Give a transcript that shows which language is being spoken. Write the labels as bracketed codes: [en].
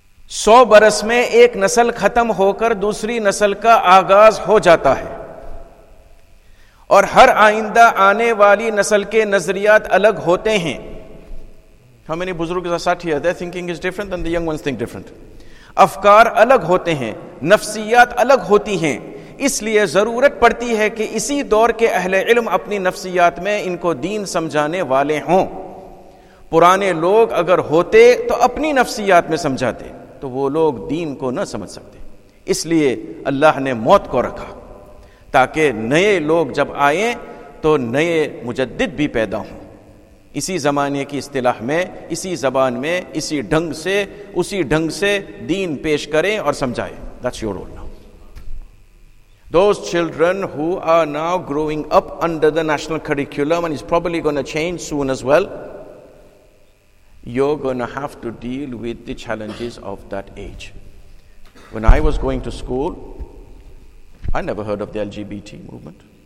[ur] سو برس میں ایک نسل ختم ہو کر دوسری نسل کا آغاز ہو جاتا ہے اور ہر آئندہ آنے والی نسل کے نظریات الگ ہوتے ہیں. [en] How many buzurgs are sat here? Their thinking is different than the young ones think different. [ur] افکار الگ ہوتے ہیں, نفسیات الگ ہوتی ہیں, اس لیے ضرورت پڑتی ہے کہ اسی دور کے اہل علم اپنی نفسیات میں ان کو دین سمجھانے والے ہوں. پرانے لوگ اگر ہوتے تو اپنی نفسیات میں سمجھاتے تو وہ لوگ دین کو نہ سمجھ سکتے. اس لیے اللہ نے موت کو رکھا تاکہ نئے لوگ جب آئیں تو نئے مجدد بھی پیدا ہوں. اسی زمانے کی اصطلاح میں، اسی زبان میں، اسی ڈھنگ سے، اسی ڈھنگ سے دین پیش کریں اور سمجھائیں. [en] That's your role now. Those children who are now growing up under the national curriculum and is probably going to change soon as well, you're going to have to deal with the challenges of that age. When I was going to school, I never heard of the LGBT movement.